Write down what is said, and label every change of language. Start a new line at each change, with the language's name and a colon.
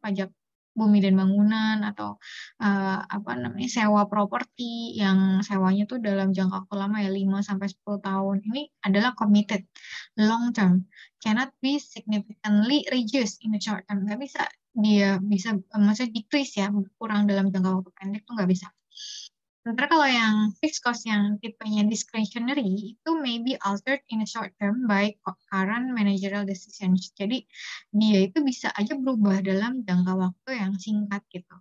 Indonesian: Pajak bumi dan bangunan atau apa namanya? Sewa properti yang sewanya tuh dalam jangka waktu lama ya 5 sampai 10 tahun. Ini adalah
English: committed long term. Cannot be significantly reduced in the short term.
Indonesian: Enggak bisa dia bisa maksudnya decrease ya, kurang dalam jangka waktu pendek tuh enggak bisa. Sementara kalau yang
English: fixed cost yang tipenya discretionary itu may be altered in the short term by current managerial decisions.
Indonesian: Jadi dia itu bisa aja berubah dalam jangka waktu yang singkat gitu.